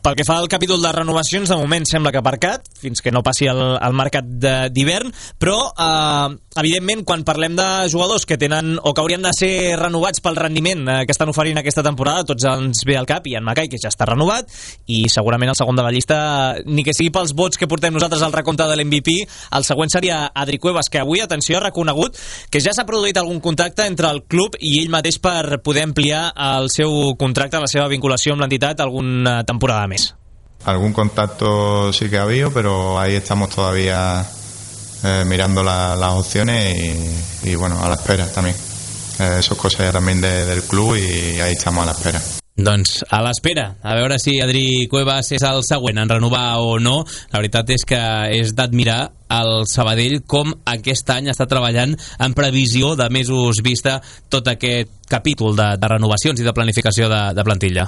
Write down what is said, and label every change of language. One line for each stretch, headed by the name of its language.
Catalan: Pel que fa al capítol de renovacions, de moment sembla que ha aparcat fins que no passi el mercat d'hivern, però evidentment quan parlem de jugadors que tenen o que haurien de ser renovats pel rendiment que estan oferint aquesta temporada, tots ens ve al cap i en Mackay, que ja està renovat i segurament el segon de la llista, ni que sigui pels vots que portem nosaltres al recompte de l'MVP, el següent seria Adri Cuevas, que avui, atenció, ha reconegut que ja s'ha produït algun contacte entre el club i ell mateix per poder ampliar el seu contracte, la seva vinculació amb l'entitat alguna temporada més.
Spanish: Algún contacto sí que ha habido, pero ahí estamos todavía mirando las opciones y bueno, a la espera también. Eso es cosa ya también del club y ahí estamos a la espera.
Catalan: Doncs a l'espera, a veure si Adri Cuevas és el següent en renovar o no. La veritat és que és d'admirar el Sabadell com aquest any està treballant en previsió de mesos vista tot aquest capítol de renovacions i de planificació de plantilla.